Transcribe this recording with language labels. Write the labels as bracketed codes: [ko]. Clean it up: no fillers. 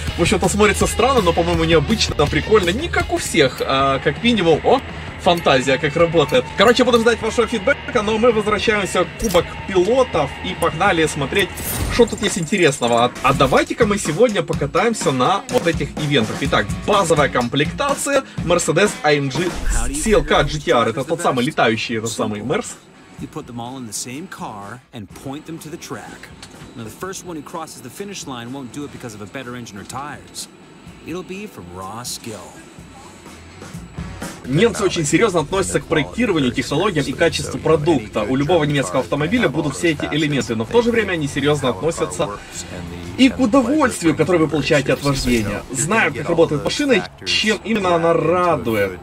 [ru] В общем-то, смотрится странно, но, по-моему, необычно, прикольно. Не как у всех, а как минимум, о, фантазия как работает. Короче, буду ждать вашего фидбэка, но мы возвращаемся к кубок пилотов и погнали смотреть, что тут есть интересного. А давайте-ка мы сегодня покатаемся на вот этих ивентах. Итак, базовая комплектация Mercedes AMG CLK GTR. Это тот самый летающий, этот самый Мерс. [en] You put them all in the same car and point them to the track. Now the first one who crosses the finish line won't do it because of a better engine or tires. It'll be from raw skill. [ru] Немцы очень серьезно относятся к проектированию, технологиям и качеству продукта. У любого немецкого автомобиля будут все эти элементы, но в то же время они серьезно относятся и к удовольствию, которое вы получаете от вождения. Знаю, как работает машина и чем именно она радует.